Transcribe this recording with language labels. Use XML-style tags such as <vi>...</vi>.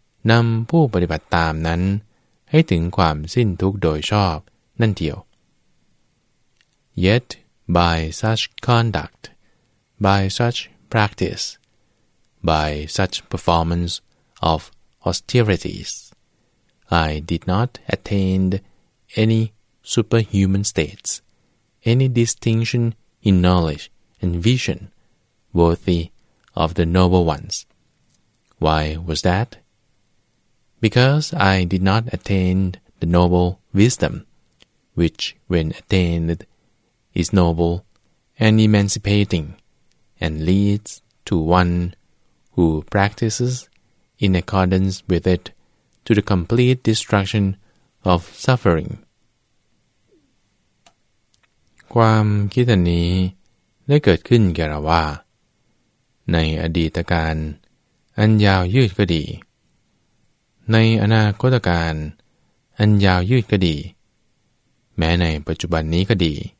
<th>นำผู้ปฏิบัติตามนั้นให้ถึงความสิ้นทุกข์โดยชอบนั่นเดียว</th> <en>Yet by such conduct, by such practice, by such performance of austerities, I did not attain any superhuman states, any distinction in knowledge and vision worthy of the noble ones. Why was that? Because I did not attain the noble wisdom, which when attained is noble and emancipating and leads to one who practices in accordance with it to the complete destruction of suffering.</en> <th>ความคิดนี้ได้เกิดขึ้นแก่เราว่าในอดีตการอันยาวยืดก็ดีในอนาคตการอันยาวยืดก็ดีแม้ในปัจจุบันนี้ก็ดี</th>